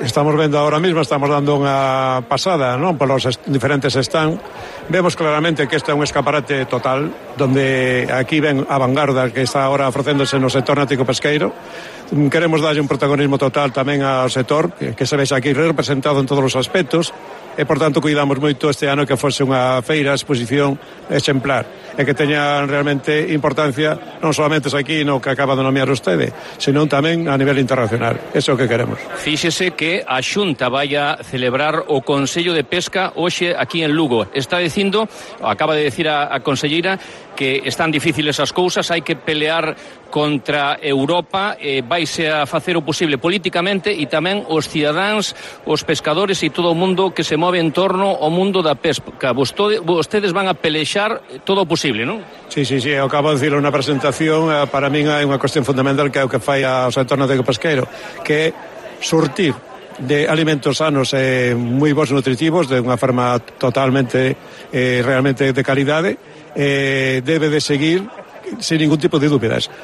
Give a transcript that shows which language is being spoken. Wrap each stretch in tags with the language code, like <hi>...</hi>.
<es>Estamos viendo ahora mismo, estamos dando una pasada, ¿no?, por los diferentes stands. Vemos claramente que este es un escaparate total, donde aquí ven a vanguarda que está ahora ofreciéndose en el sector náutico pesqueiro. Queremos darle un protagonismo total también al sector, que se ve aquí representado en todos los aspectos.</es> <gl>E, por tanto, cuidamos moito este ano que fose unha feira, exposición exemplar e que teña realmente importancia non solamente aquí, no que acaba de nomear ustedes, sino tamén a nivel internacional. Eso é o que queremos. Fíxese que a Xunta vai a celebrar o Consello de Pesca hoxe aquí en Lugo. Está dicindo, acaba de decir a conselleira, que están difíciles as cousas, hai que pelear contra Europa, vaise a facer o posible políticamente e tamén os cidadáns, os pescadores e todo o mundo que se move en torno ao mundo da pesca. Vostedes van a pelexar todo o posible, non? Sí, eu acabo de dicir unha presentación, para min hai unha cuestión fundamental que é o que fai ao sector náutico pesqueiro, que é surtir de alimentos sanos e moi bons nutritivos de unha forma totalmente realmente de calidade. Debe de seguir sin ningún tipo de dúbidas.</gl>